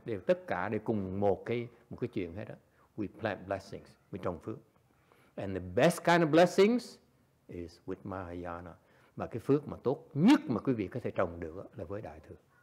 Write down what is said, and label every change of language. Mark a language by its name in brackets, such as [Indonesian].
[Vietnamese] Đều tất cả đều cùng một cái chuyện hết đó. [English] We plant blessings. We [Vietnamese] trồng phước. [English] And the best kind of blessings is with Mahayana. [Vietnamese] Mà cái phước mà tốt nhất mà quý vị có thể trồng được là với Đại Thừa.